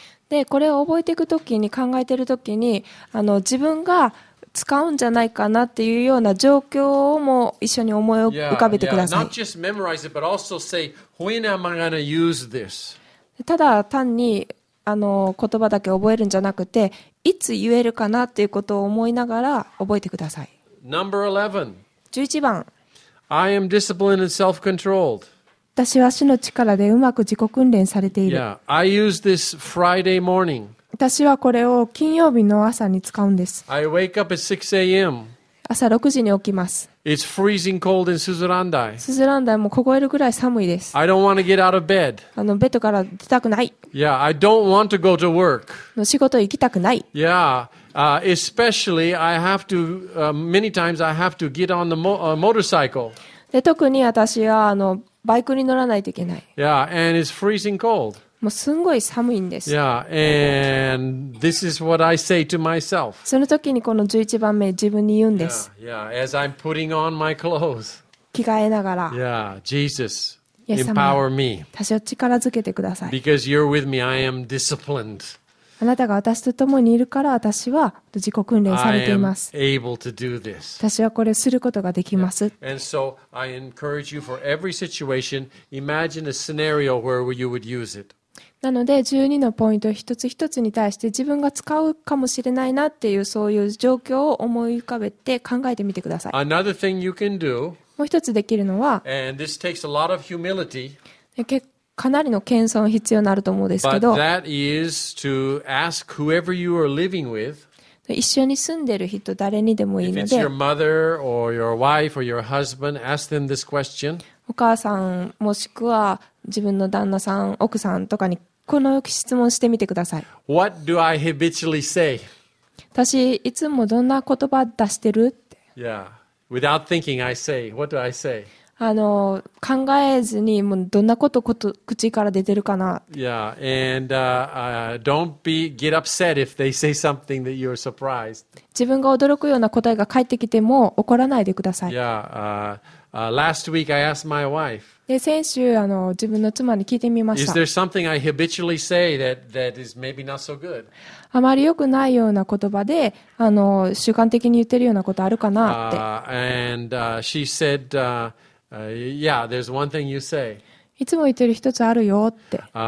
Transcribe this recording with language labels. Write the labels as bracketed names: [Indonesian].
[Japanese] でこれを覚えていくときに考えているときに自分が使うんじゃないかなっていうような状況をも一緒に思い浮かべてください。 [English] Yeah, yeah. [Japanese] ただ単に言葉だけ覚えるんじゃなくて、いつ言えるかなっていうことを思いながら覚えてください。 [English] Number [Japanese] 11番。 [English] I am disciplined and self-controlled. [Japanese] 私は主の力でうまく自己訓練されている。 [English] Yeah, I use this Friday morning. [Japanese] 私はこれを金曜日の朝に使うんです。 [English] I wake up at 6 a.m. [Japanese] 朝6時に起きます。 [English] It's freezing cold in Suzurandai. [Japanese] Suzurandai も凍えるくらい寒いです。 [English] I don't want to get out of bed. [Japanese] ベッドから出たくない。 [English] Yeah, I don't want to go to work. [Japanese] 仕事行きたくない。 [English] Yeah, especially I have to, many times I have to get on the motorcycle. [Japanese] で、特に私はバイクに乗らないといけない。 [English] Yeah, and it's freezing cold. [Japanese] もうすんごい寒いんです。 [English] Yeah, and this is what I say to myself. [Japanese] その時にこの11番目自分に言うんです。 [English] Yeah, yeah, as I'm putting on my clothes. [Japanese] 着替えながら。 [English] Yeah, Jesus, empower me. [Japanese] 私を力づけてください。 [English] Because you're with me, I am disciplined. [Japanese] あなたが私と共にいるから私は自己訓練されています。 [English] I am able to do this. [Japanese] 私はこれをすることができます。 [English] Yeah. And so I encourage you for every situation, imagine a scenario where you would use it. [Japanese] なので12のポイント一つ一つに対して自分が使うかもしれないなっていうそういう状況を思い浮かべて考えてみてください。 [English] Another thing you can do, [Japanese] もう一つできるのは、 [English] and this takes a lot of humility, [Japanese] かなりの謙遜必要になると思うんですけど、 [English] but that is to ask whoever you are living with, [Japanese] 一緒に住んでる人誰にでもいいので、 [English] if it's your mother or your wife or your husband, ask them this question. [Japanese] お母さんもしくは自分の旦那さん奥さんとかにこの質問してみてください。 [English] What do I habitually say? [Japanese] 私いつもどんな言葉出してる？ [English] Yeah. Without thinking, I say. What do I say? [Japanese] 考えずにもうどんなこと口から出てるかな。 [English] Yeah. And don't be get upset if they say something that you're surprised. [Japanese] 自分が驚くような答えが返ってきても怒らないでください。 [English] Yeah. Last week I asked my wife. [Japanese] で先週自分の妻に聞いてみました。 [English] Is there something I habitually say that is maybe not so good? [Japanese] あまり良くないような言葉で習慣的に言ってるようなことあるかなって。 [English] She said, yeah, there's one thing you say. [Japanese] いつも言ってる一つあるよって。